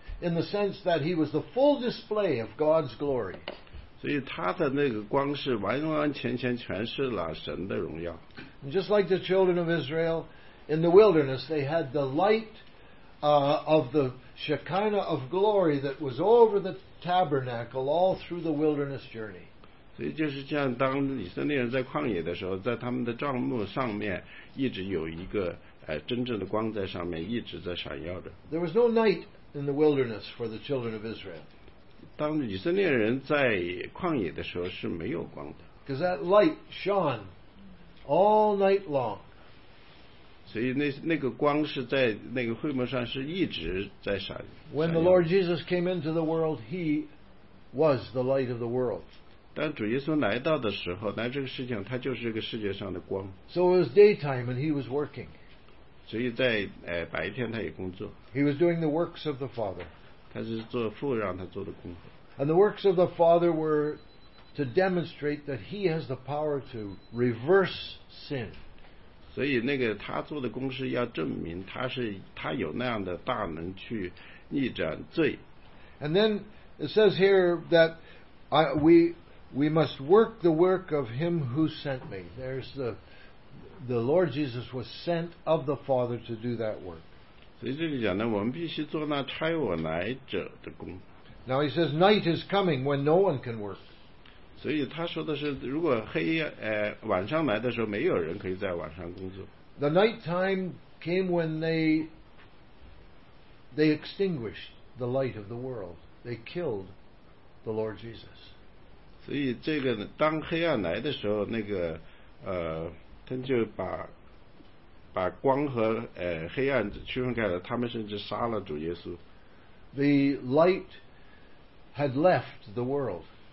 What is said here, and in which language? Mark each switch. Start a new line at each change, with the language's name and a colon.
English: In the sense that he was the full display of God's glory.
Chinese: 所以他的那个光是完完全全诠释了神的荣耀。
English: And just like the children of Israel in the wilderness, they had the light of the Shekinah of glory that was over the tabernacle all through the wilderness journey.
Chinese: 所以就是像当以色列人在旷野的时候，在他们的帐幕上面一直有一个真正的光在上面一直在闪耀着。
English: There was no night. In the wilderness for the children of Israel.
Chinese: 当以色列人在旷野的时候是没有光的。
English: Because that light shone all night long.
Chinese: 所以那个光是在那个会幕上是一直在闪。
English: When the Lord Jesus came into the world, he was the light of the world.
Chinese: 当主耶稣来到的时候，来这个世界上，他就是这个世界上的光。
English: So it was daytime and he was working.
Chinese: 所以在白天他也工作。
English: He was doing the works of the Father.
Chinese: 他是做父让他做的工作。
English: And the works of the Father were to demonstrate that he has the power to reverse sin.
Chinese: 所以那个他做的工是要证明他有那样的大能去逆转罪。
English: And then it says here that we must work the work of him who sent me. There's the Lord Jesus was sent of the Father to do that work.
Chinese: 所以这里讲呢，我们必须做那差我来者的工。
English: Now he says, night is coming when no one can work.
Chinese: 所以他说的是，如果黑晚上来的时候，没有人可以在晚上工作。
English: The night time came when they extinguished the light of the world. They killed the Lord Jesus.
Chinese: 所以这个当黑暗来的时候，那个他就把光和黑暗区分开了，他们甚至杀了主耶稣。
English: The light had left the world.